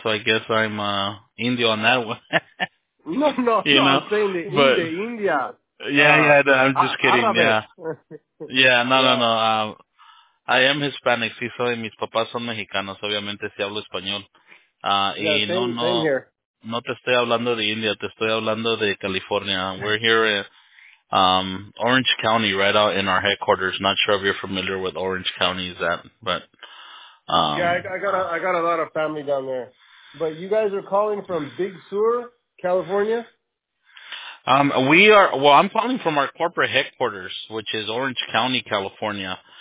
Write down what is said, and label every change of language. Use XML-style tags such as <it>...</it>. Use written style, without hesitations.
<en>So I guess I'm Indio on that one. No, I'm saying India. I am Hispanic,</en> <es>sí soy, mis papás son mexicanos, obviamente sí hablo español. No te estoy hablando de India, te estoy hablando de California.</es> <en>We're here at Orange County, right out in our headquarters. Not sure if you're familiar with Orange County, is that, but I got a lot of family down there. But you guys are calling from Big Sur, California? I'm calling from our corporate headquarters, which is Orange County, California.</en>